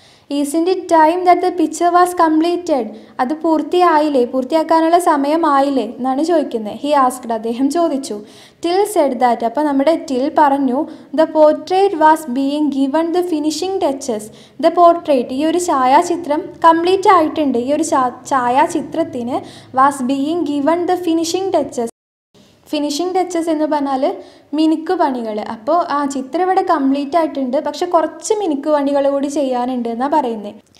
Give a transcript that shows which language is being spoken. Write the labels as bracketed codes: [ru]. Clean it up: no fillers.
[en] Isn't it time that the picture was completed? [ml] അത് പൂർത്തിയായില്ലേ, പൂർത്തിയാക്കാനുള്ള സമയമായില്ലേ എന്നാണ് ചോദിക്കുന്നത്. [en] he asked, [ml] അദ്ദേഹം ചോദിച്ചു. [en] Till said that, [ml] അപ്പോൾ നമ്മുടെ till പറഞ്ഞു, [en] the portrait was being given the finishing touches. The portrait, [ml] ഈ ഒരു ഛായാചിത്രം കംപ്ലീറ്റ് ആയിട്ടുണ്ട്, ഈ ഒരു ഛായാചിത്രത്തിന് [en] was being given the finishing touches. [ml] Finishing touches എന്ന് പറഞ്ഞാൽ മിനുക്ക് പണികൾ. അപ്പോൾ ആ ചിത്രം ഇവിടെ കംപ്ലീറ്റ് ആയിട്ടുണ്ട്, പക്ഷെ കുറച്ച് മിനുക്ക് പണികൾ കൂടി ചെയ്യാനുണ്ട് എന്നാണ് പറയുന്നത്.